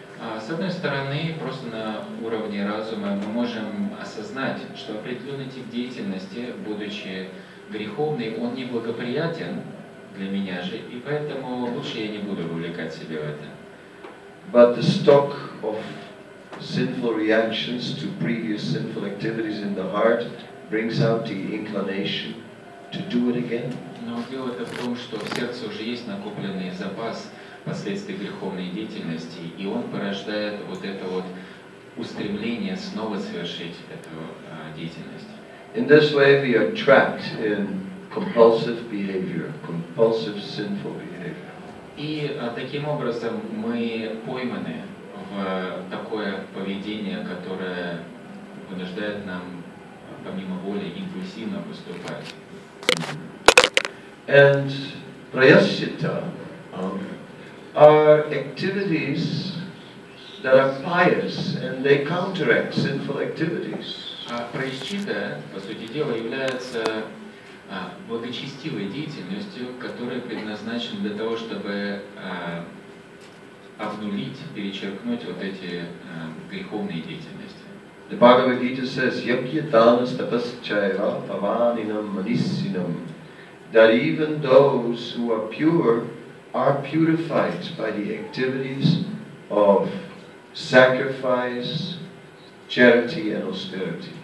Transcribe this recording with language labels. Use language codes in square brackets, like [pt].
[ru] С одной стороны, просто на уровне разума мы можем осознать, что определенный тип деятельности, будучи греховный, он неблагоприятен для меня же, и поэтому лучше я не буду вовлекать себя в это. [en] But the stock of sinful reactions to previous sinful activities in the heart brings out the inclination to do it again. [ru] Но дело-то в том, что в сердце уже есть накопленный запас последствий греховной деятельности, и он порождает вот это вот устремление снова совершить эту деятельность. [en] In this way we are trapped in compulsive behavior, compulsive sinful behavior. [ru] И таким образом мы пойманы в такое поведение, которое вынуждает нам помимо воли импульсивно поступать. [en] And prayaschitta are activities that are pious and they counteract sinful activities. [ru] Prayaschitta, по сути дела, является благочестивой деятельностью, которая предназначена для того, чтобы обнулить, перечеркнуть вот эти греховные деятельности. [en] The Bhagavad Gita says, [sa] yagya danas tapascaya pavaninam manissinam, [en] that even those who are pure are purified by the activities of sacrifice, charity and austerity.